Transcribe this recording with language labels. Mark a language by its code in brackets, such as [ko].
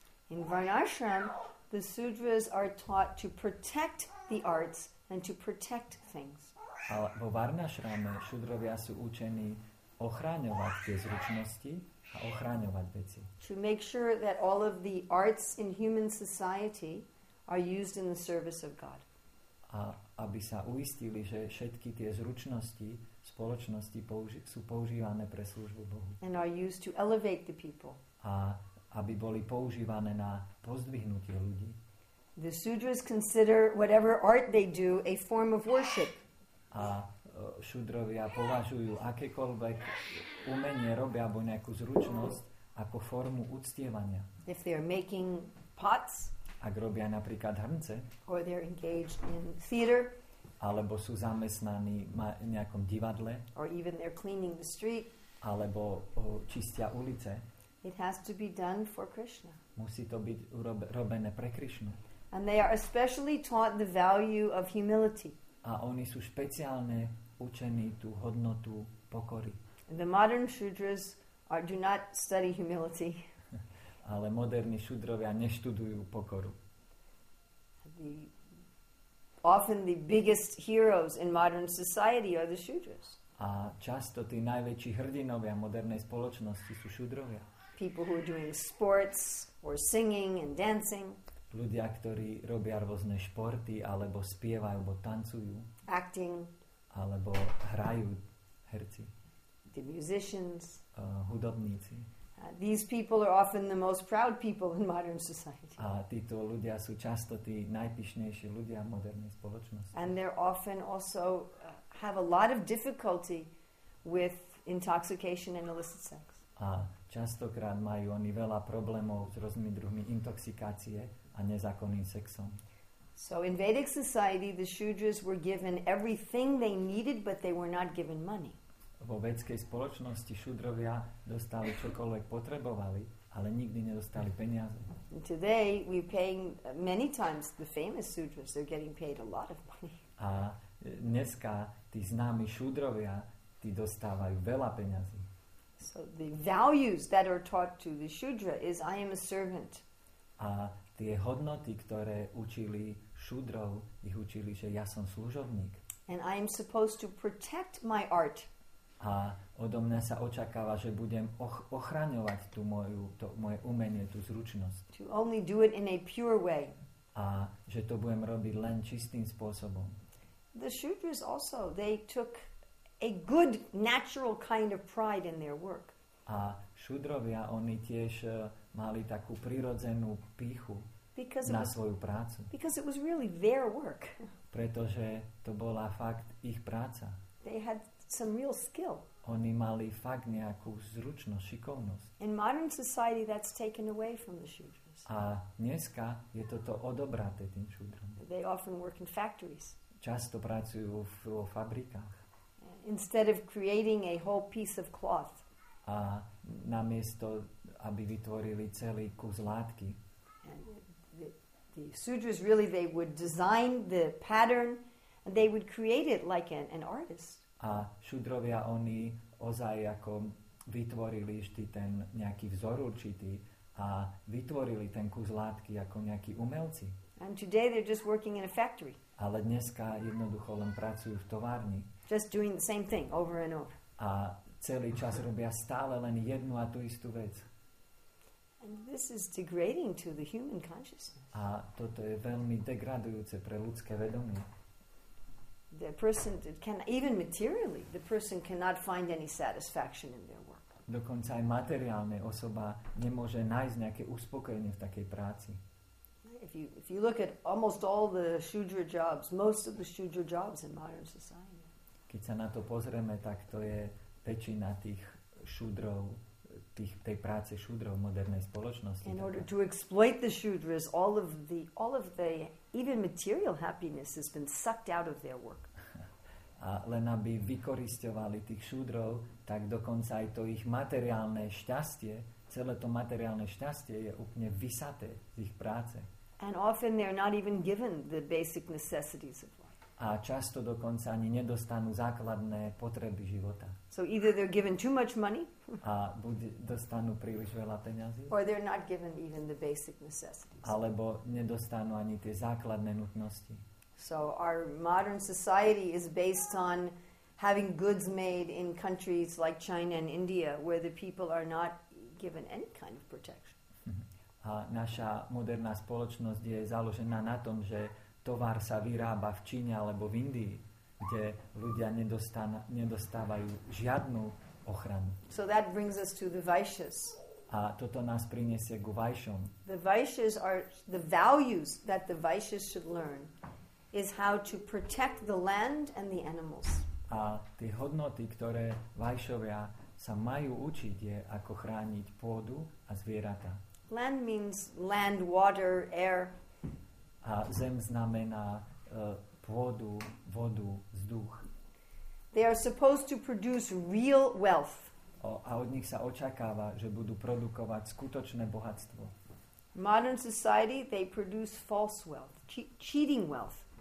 [en] In Varnashram, the sudras are taught to protect the arts and to protect things. [sk] Ale vo Varnashrame šudrovia sú učení ochraňovať tie zručnosti a ochraňovať veci. [en] To make sure that all of the arts in human society are used in the service of God. [sk] A aby sa uistili, že všetky tie zručnosti spoločnosti sú používané pre službu Bohu. [en] And are used to elevate the people. [sk] A aby boli používané na pozdvihnutie ľudí. [en] The sudras consider whatever art they do a form of worship. [sk] A šudrovia považujú akékoľvek umenie robia alebo nejakú zručnosť ako formu uctievania. [en] If they are making pots, [sk] ak robia napríklad hrnce, [en] or they're engaged in theater, [sk] alebo sú zamestnaní v nejakom divadle, [en] or even they're cleaning the street, [sk] alebo čistia ulice, [en] it has to be done for Krishna. [sk] Musí to byť robené pre Krishnu. [en] And they are especially taught the value of humility. [sk] A oni sú špeciálne učení tú hodnotu pokory. [en] The modern shudras do not study humility. [sk] Ale moderní šudrovia neštudujú pokoru. [en] Often the biggest heroes in modern society are the shudras. [sk] A často tí najväčší hrdinovia modernej spoločnosti sú šudrovia. [en] People who are doing sports or singing and dancing. [sk] Ľudia, ktorí robia rôzne športy alebo spievajú alebo tancujú. [en] Acting. [sk] Alebo hrajú herci. [en] The musicians. [sk] Hudobníci. [en] These people are often the most proud people in modern society. [sk] A títo ľudia sú často tí najpyšnejší ľudia v modernej spoločnosti. [en] And they're often also have a lot of difficulty with intoxication and illicit sex. [sk] A častokrát majú oni veľa problémov s rôznymi druhmi intoxikácie a nezákonným sexom. [en] So in Vedic society the shudras were given everything they needed, but they were not given money. [sk] Vo vedskej spoločnosti šudrovia dostali čokoľvek potrebovali, ale nikdy nedostali peniaze. [en] Today we paying many times the famous sudras, they're getting paid a lot of money. [sk] A dneska tí známi šudrovia, tí dostávajú veľa peňazí. [en] So the values that are taught to the shudra is I am a servant. [sk] A tie hodnoty, ktoré učili šudrov, ich učili, že ja som služobník. [en] And I am supposed to protect my art. [sk] A odo mňa sa očakáva, že budem ochraňovať tú moju, to moje umenie, tú zručnosť. [en] To only do it in a pure way. [sk] A že to budem robiť len čistým spôsobom. [en] The shudras also, they took a good natural kind of pride in their work. [sk] A šudrovia, oni tiež mali takú prirodzenú pýchu na svoju prácu. [en] Because it was really their work. [sk] Pretože to bola fakt ich práca. [en] They had some real skill. [sk] Oni mali fakt nejakú zručnosť, šikovnosť. [en] In modern society that's taken away from the shudras. [sk] A dneska je toto odobraté tým šudrom. [en] They often work in factories. [sk] Často pracujú vo fabrikách. [en] Instead of creating a whole piece of cloth. [sk] A namiesto, aby vytvorili celý kus látky. [en] The sudras really, they would design the pattern and they would create it like an artist. [sk] A šudrovia, oni ozaj ako vytvorili vždy ten nejaký vzor určitý a vytvorili ten kus látky ako nejakí umelci. [en] And today they're just working in a factory. [sk] Ale dneska jednoducho len pracujú v továrni. [en] Just doing the same thing over and over. [sk] A celý čas robia stále len jednu a tú istú vec. [en] And this is degrading to the human consciousness. [sk] A toto je veľmi degradujúce pre ľudské vedomie. [en] The person can even materially, the person cannot find any satisfaction in their work. [sk] Dokonca aj materiálne osoba nemôže nájsť nejaké uspokojenie v takej práci. [en] If you look at almost all the shudra jobs, most of the shudra jobs in modern society. [sk] Keď sa na to pozrieme, tak to je väčšina tých šudrov, tej práce šudrov modernej spoločnosti. [en] In order to exploit the shudras, all of the even material happiness has been sucked out of their work. [sk] A len aby vykorisťovali tých šudrov, tak dokonca aj to ich materiálne šťastie, celé to materiálne šťastie je úplne vysaté z ich práce. [en] And often they're not even given the basic necessities of life. [sk] A často dokonca ani nedostanú základné potreby života. [en] So either they're given too much money, [sk] a buď dostanú príliš veľa peňazí, [en] or they're not given even the basic necessities. [sk] Alebo nedostanú ani tie základné nutnosti. [en] So our modern society is based on having goods made in countries like China and India, where the people are not given any kind of protection. [sk] A naša moderná spoločnosť je založená na tom, že tovar sa vyrába v Číne alebo v Indii, kde ľudia nedostávajú žiadnu ochranu. [en] So that brings us to the vaishyas. [sk] A toto nás prinesie k vaishyom. [en] The vaishyas are the values that the vaishyas should learn is how to protect the land and the animals. [sk] A tie hodnoty, ktoré vaishyovia sa majú učiť, je ako chrániť pôdu a zvieratá. [en] Land means land, water, air. [sk] A zem znamená pôdu, vodu, vzduch. [en] They are supposed to produce real wealth. [sk] A od nich sa očakáva, že budú produkovať skutočné bohatstvo. [en] Modern society, they produce false wealth, cheating wealth.